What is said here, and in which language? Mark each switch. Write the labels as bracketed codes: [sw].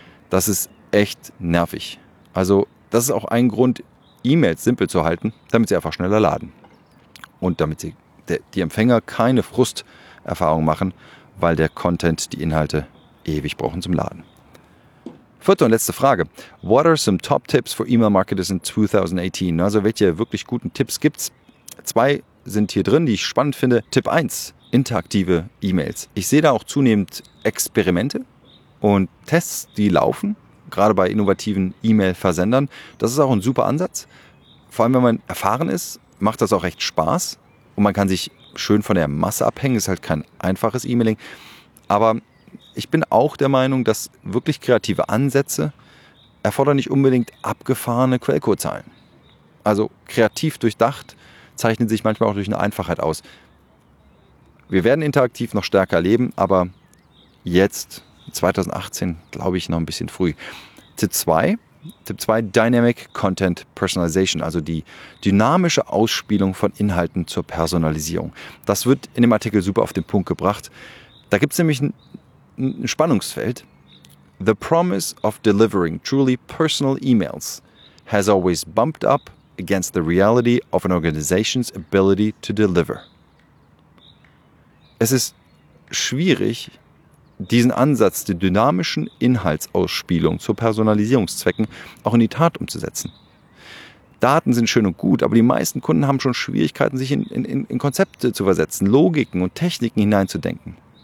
[de] Das ist echt nervig. Also das ist auch ein Grund, E-Mails simpel zu halten, damit sie einfach schneller laden. Und damit die Empfänger keine Frusterfahrung machen, weil der Content die Inhalte ewig brauchen zum Laden. Vierte und letzte Frage. [en] What are some top tips for email marketers in 2018? [de] Also welche wirklich guten Tipps gibt's? Zwei sind hier drin, die ich spannend finde. Tipp 1, interaktive E-Mails. Ich sehe da auch zunehmend Experimente und Tests, die laufen, gerade bei innovativen E-Mail-Versendern. Das ist auch ein super Ansatz. Vor allem, wenn man erfahren ist, macht das auch echt Spaß und man kann sich schön von der Masse abhängen. Ist halt kein einfaches E-Mailing. Aber ich bin auch der Meinung, dass wirklich kreative Ansätze erfordern nicht unbedingt abgefahrene Quellcodezahlen. Also kreativ durchdacht zeichnet sich manchmal auch durch eine Einfachheit aus. Wir werden interaktiv noch stärker leben, aber jetzt, 2018, glaube ich, noch ein bisschen früh. Tipp 2, Dynamic Content Personalization, also die dynamische Ausspielung von Inhalten zur Personalisierung. Das wird in dem Artikel super auf den Punkt gebracht. Da gibt es nämlich ein Spannungsfeld. [en] The promise of delivering truly personal emails has always bumped up against the reality of an organization's ability to deliver. [de] Es ist schwierig, diesen Ansatz der dynamischen Inhaltsausspielung zu Personalisierungszwecken auch in die Tat umzusetzen. Daten sind schön und gut, aber die meisten Kunden haben schon Schwierigkeiten, sich in Konzepte zu versetzen, Logiken und Techniken hineinzudenken.